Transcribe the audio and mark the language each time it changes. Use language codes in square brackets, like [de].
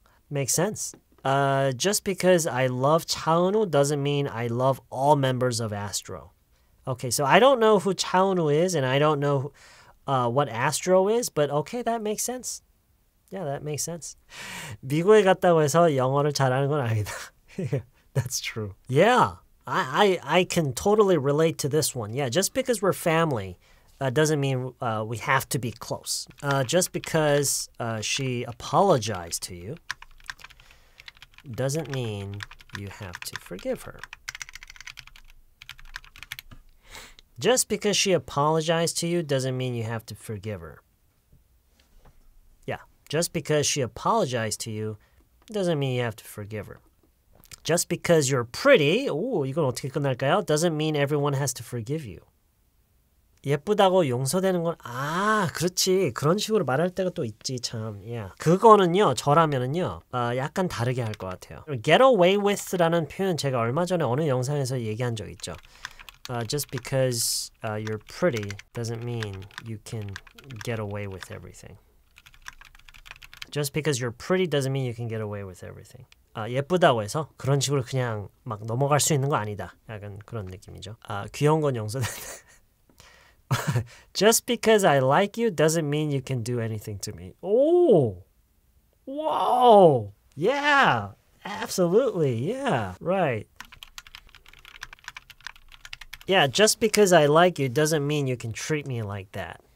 [en] Makes sense. Just because I love 차은우 doesn't mean I love all members of Astro. Okay, so I don't know who 차은우 is and I don't know what Astro is, but okay, that makes sense. Yeah, that makes sense. [ko] 미국에 갔다고 해서 영어를 잘하는 건 아니다. [en] That's true. Yeah. I can totally relate to this one. Yeah, just because we're family doesn't mean we have to be close. Just because she apologized to you doesn't mean you have to forgive her. Just because she apologized to you doesn't mean you have to forgive her. Yeah, just because she apologized to you doesn't mean you have to forgive her. Just because you're pretty, [ko] 오, 이건 어떻게 끝날까요? [en] Doesn't mean everyone has to forgive you. [ko] 예쁘다고 용서되는 건, 아, 그렇지. 그런 식으로 말할 때가 또 있지, 참. [en] Yeah. [ko] 그거는요, 저라면은요, 약간 다르게 할 것 같아요. [en] Get away with [ko] 라는 표현 제가 얼마 전에 어느 영상에서 얘기한 적 있죠. [en] Just because you're pretty doesn't mean you can get away with everything. Just because you're pretty doesn't mean you can get away with everything. [ko] 예쁘다고 해서 그런 식으로 그냥 막 넘어갈 수 있는 거 아니다. 약간 그런 느낌이죠. 귀여운 건 용서된다. [en] Just because I like you doesn't mean you can do anything to me. 오! Whoa! Yeah! Absolutely, yeah, right. Yeah, just because I like you doesn't mean you can treat me like that.